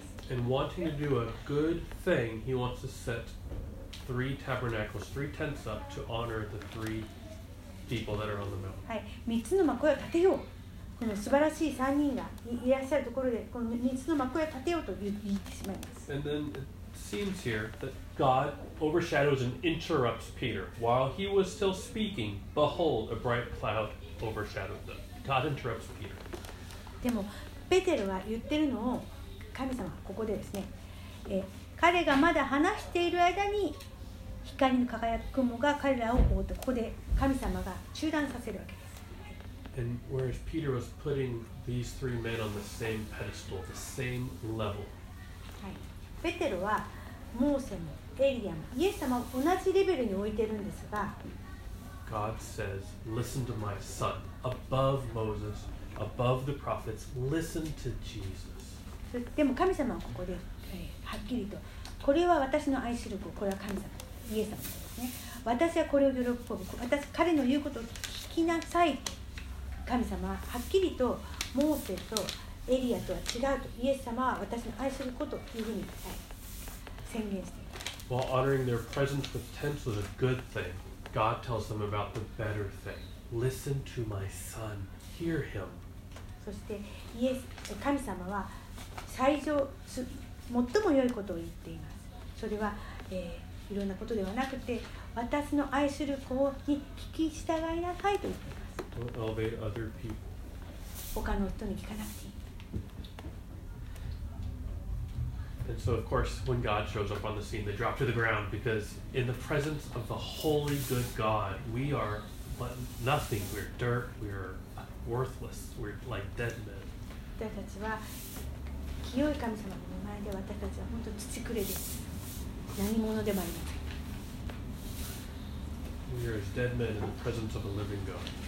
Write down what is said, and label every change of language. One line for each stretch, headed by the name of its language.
English: And wanting to do a good thing, he wants to set three tabernacles, three tents up to honor the three people that are on the mountain.
Japanese: はい、3つの幕を建てよう。この素晴らしい3人がいらっしゃるところでこの3つの幕を建てようと言ってしまいます。
English: And thenSeems here that God overshadows and interrupts Peter while he was still speaking. Behold, a bright cloud overshadowed them. God interrupts Peter.
Japanese: でもペテロは言ってるのを神様はここでですね、彼がまだ話している間に光の輝く雲が彼らを覆ってここで神様が中断させるわけです。
English: And whereas Peter was putting these three men on the same pedestal, the same level.
Japanese: ペテロはモーセもエリアもイエス様を同じレベルに置いてるんですが、
English: God says, listen to my son, above Moses, above the prophets, listen to Jesus.
Japanese: でも神様はここで、はっきりと、これは私の愛する子、これは神様、イエス様ですね。私はこれを喜ぶ、私、彼の言うことを聞きなさい。神様ははっきりとモーセとエリアとは違うとイエス様は私の愛することというふうに、はい、宣言しています。
English: While honoring their presence with tents was a good thing, God tells them about the better thing. Listen to my son. Hear him.
Japanese: そしてイエス神様は最上最も良いことを言っています。それは、いろんなことではなくて私の愛する子に聞き従いなさいと言っています。
English: Don't elevate other people.
Japanese: 他の人に聞かなくていい。
English: And so, of course, when God shows up on the scene, they drop to the ground because in the presence of the holy, good God, we are but nothing. We're dirt. We're worthless. We're like dead men.
Japanese: 私たちは清い神様の前で私たちは本当に土くれです。何者でもありません。
English: We are as dead men in the presence of a living God.